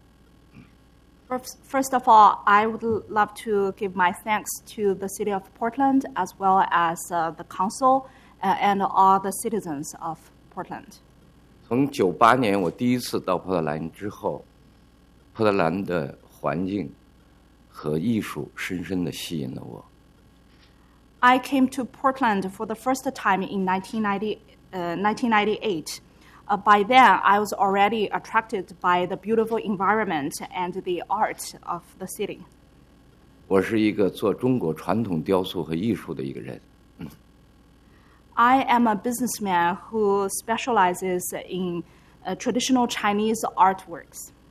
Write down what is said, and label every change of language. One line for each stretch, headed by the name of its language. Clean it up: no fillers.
English: of all, I would love to give my thanks to the City of Portland as well as the Council and all the citizens of Portland.
Chinese: 从98年我第一次到波特兰之后，波特兰的环境和艺术深深地吸引了我。
English: I came to Portland for the first time in 1998. By then, I was already attracted by the beautiful environment and the art of the city.
Chinese: 我是一个做中国传统雕塑和艺术的一个人。
English: I am a businessman who specializes in traditional Chinese artworks.